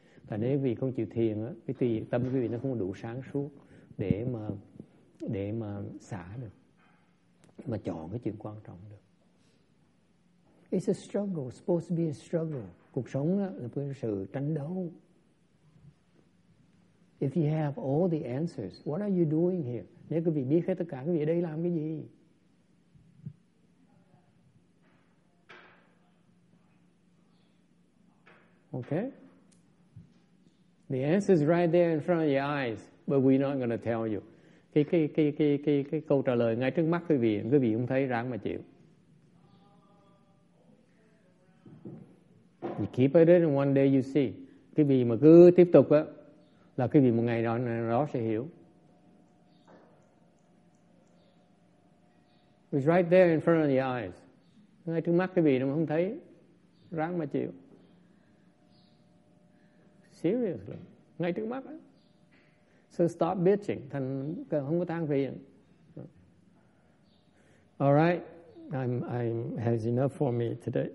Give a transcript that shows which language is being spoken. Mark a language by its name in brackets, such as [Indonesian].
[Vietnamese] Tại nếu vì không chịu thiền á, cái tùy tâm quý vị nó không đủ sáng suốt để mà xả được. Mà chọn cái chuyện quan trọng được. [English] It's a struggle. It's supposed to be a struggle. [Vietnamese] Cuộc sống là một sự tranh đấu. [English] If you have all the answers, what are you doing here? [Vietnamese] Nếu quý vị biết hết tất cả, quý vị ở đây làm cái gì? [English] Okay? The answer is right there in front of your eyes, but we're not going to tell you. [Vietnamese] Cái câu trả lời ngay trước mắt quý vị không thấy, ráng mà chịu. [English] You keep at it and one day you see. [Vietnamese] Quý vị mà cứ tiếp tục á, là quý vị một ngày đó sẽ hiểu. [English] It's right there in front of your eyes. [Vietnamese] Ngay trước mắt quý vị mà không thấy, ráng mà chịu. [English] Seriously, [Vietnamese] ngay trước mắt á. [English] So stop bitching. [Vietnamese] Thành không có than phiền. [English] All right. I'm has enough for me today.